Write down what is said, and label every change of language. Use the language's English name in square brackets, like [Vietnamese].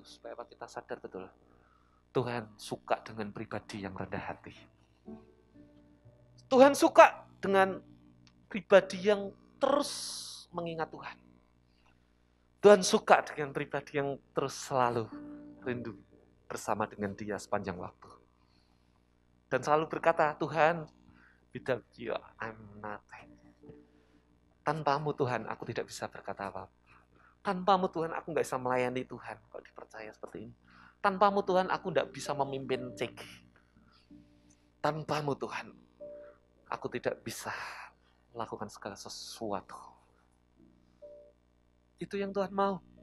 [Indonesian] Supaya kita sadar betul. Tuhan suka dengan pribadi yang rendah hati. Tuhan suka dengan pribadi yang terus mengingat Tuhan. Tuhan suka dengan pribadi yang terus selalu rindu bersama dengan Dia sepanjang waktu. Dan selalu berkata, Tuhan, [English] without you, I'm nothing. [Indonesian] Tanpamu Tuhan, aku tidak bisa berkata apa-apa. Tanpamu Tuhan, aku gak bisa melayani Tuhan. Kok dipercaya seperti ini? Tanpamu Tuhan, aku tidak bisa memimpin cek. Tanpamu Tuhan, aku tidak bisa melakukan segala sesuatu. Itu yang Tuhan mau.